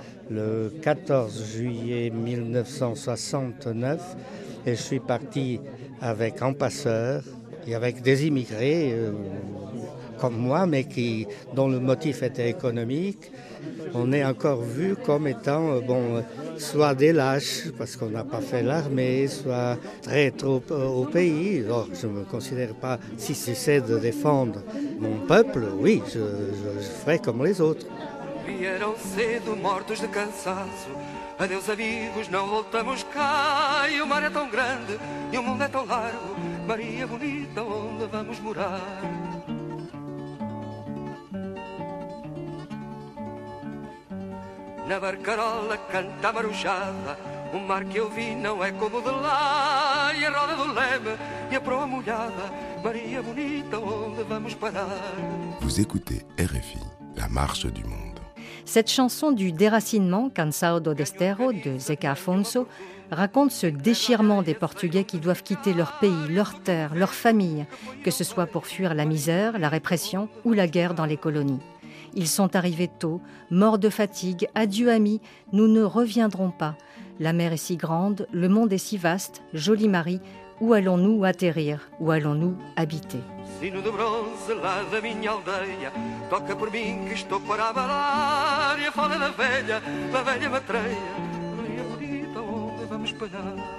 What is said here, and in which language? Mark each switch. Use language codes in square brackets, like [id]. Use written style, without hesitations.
[fr] Le 14 juillet 1969, et je suis parti avec un passeur et avec des immigrés comme moi, mais dont le motif était économique. On est encore vu comme étant, soit des lâches, parce qu'on n'a pas fait l'armée, soit très trop au pays. Or, je ne me considère pas, si c'est de défendre mon peuple, oui, je ferai comme les autres. [pt] Vieram cedo mortos de cansaço. Adeus amigos, não voltamos cá. E o mar é tão grande, e o mundo é tão largo. Maria bonita, onde vamos morar? Na barcarola canta marujada, o mar que eu vi não é como o de lá, e a roda do leme e a proa molhada, Maria bonita, onde vamos parar? [fr] Vous écoutez RFI, La Marche du Monde. Cette chanson du déracinement, Cansado do Destero, de Zeca Afonso, raconte ce déchirement des Portugais qui doivent quitter leur pays, leur terre, leur famille, que ce soit pour fuir la misère, la répression ou la guerre dans les colonies. Ils sont arrivés tôt, morts de fatigue, adieu amis, nous ne reviendrons pas. La mer est si grande, le monde est si vaste, jolie Marie, où allons-nous atterrir? Où allons-nous habiter? [pt] Sino de bronze lá da minha aldeia, toca por mim que estou para abalar, e a fala da velha matreia, Maria bonita, onde vamos parar?